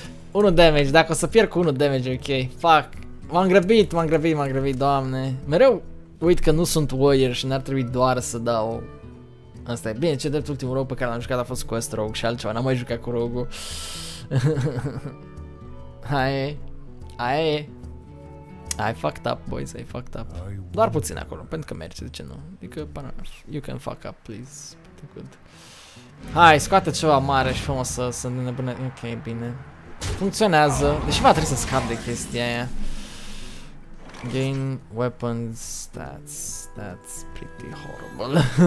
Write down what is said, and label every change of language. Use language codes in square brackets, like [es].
[ro] 1 damage, dacă o să pierd cu 1 damage, ok. [en] Fuck. [ro] M-am grăbit, doamne. Mereu uit că nu sunt warrior și n-ar trebui doar să dau... Asta e bine, ce drept ultimul rogue pe care l-am jucat a fost quest rogue și altceva, n-am mai jucat cu rogue-ul. Hai, aia e. [en] I fucked up, boys, I fucked up. [ro] Doar puțin acolo, pentru că merge, de ce nu? Adică, [en] you can fuck up, please. Good. [ro] Hai, scoate ceva mare și frumos să ne nebune. Ok, bine. Funcționează, deși va trebui să scap de chestia aia. [en] Gain weapons, that's pretty horrible.